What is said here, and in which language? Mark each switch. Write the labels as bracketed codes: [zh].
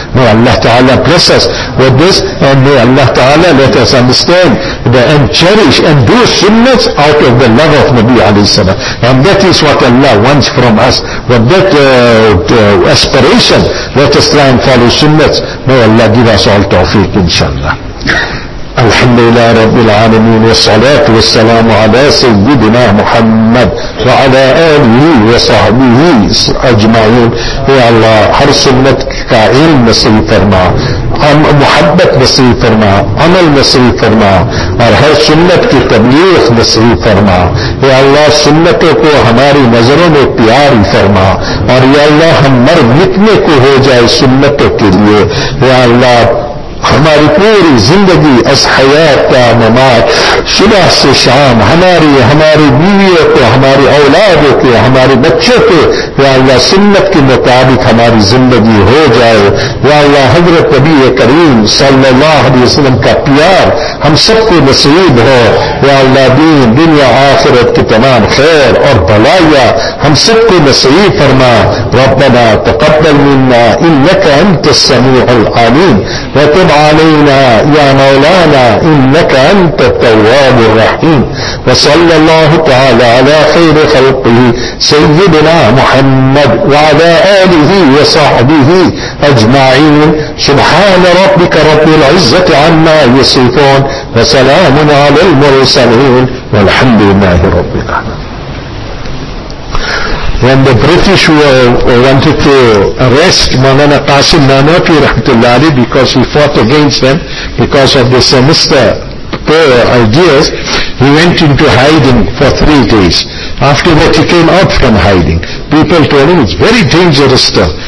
[en] May Allah Ta'ala bless us with this, and may Allah Ta'ala let us understand that and cherish and do sunnahs out of the love of Nabi alayhi salam. And that is what Allah wants from us. With that aspiration, let us try and follow sunnahs. May Allah give us all tawfiq, inshallah. [ar] الحمد لله رب العالمين والصلاة والسلام على سيدنا محمد وعلى آله وصحبه أجمعين. [ur] يا الله هر سنت كائن نصيب فرما محبت نصيب فرما عمل نصيب فرما اور هر سنت کی تبلیغ نصيب فرما. يا الله سنتوں کو ہماری نظروں میں پیاری فرما اور يا الله ہم مر مٹنے کو ہو جائے سنتوں کے لئے. يا الله ہماری پوری زندگی اس حیات کا ممات صبح سے شام ہماری بیویوں کو ہماری اولادوں کو ہمارے بچوں کو یا اللہ سنت کے مطابق ہماری زندگی ہو جائے. یا اللہ حضرت نبی کریم صلی اللہ علیہ وسلم کا پیار ہم سب کو نصیب ہو. یا اللہ دین دنیا آخرت کی تمام خیر اور بھلائی ہم سب کو نصیب فرما. [ar] ربنا تقبل منا انك انت السميع العليم وتب علينا يا مولانا انك انت التواب الرحيم. وصلى الله تعالى على خير خلقه سيدنا محمد وعلى اله وصحبه اجمعين. سبحان ربك رب العزه عما يصفون وسلام على المرسلين والحمد لله رب العالمين. [en] When the British wanted to arrest Maulana Qasim Nanotvi Rahmatullah Ali because he fought against them because of this sinister ideas, he went into hiding for 3 days. After that he came out from hiding. People told him it's very dangerous stuff.